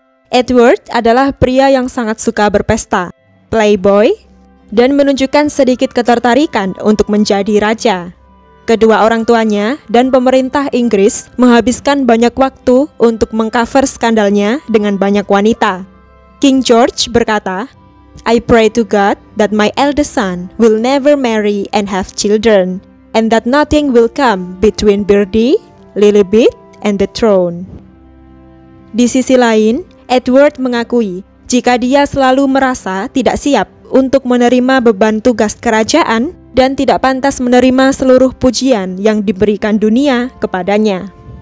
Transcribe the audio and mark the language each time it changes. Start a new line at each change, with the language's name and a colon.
Indonesian: Edward adalah pria yang sangat suka berpesta, playboy, dan menunjukkan sedikit ketertarikan untuk menjadi raja. Kedua orang tuanya dan pemerintah Inggris menghabiskan banyak waktu untuk mengcover skandalnya dengan banyak wanita.
English: King George berkata, "I pray to God that my eldest son will never marry and have children, and that nothing will come between Birdie, Lilibet, and the throne."
Indonesian: Di sisi lain, Edward mengakui jika dia selalu merasa tidak siap untuk menerima beban tugas kerajaan dan tidak pantas menerima seluruh pujian yang diberikan dunia kepadanya.